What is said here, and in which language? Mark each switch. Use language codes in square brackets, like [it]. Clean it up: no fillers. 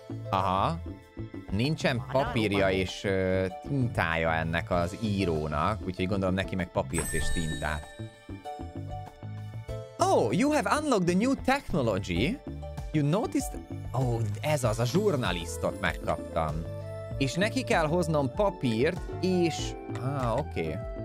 [hu] Aha. Nincsen papírja és tintája ennek az írónak, úgyhogy gondolom neki meg papírt és tintát. [en] Oh, you have unlocked the new technology. You noticed... [hu] Oh, ez az, a journalistot megkaptam. És neki kell hoznom papírt, és... Ah, oké. Okay.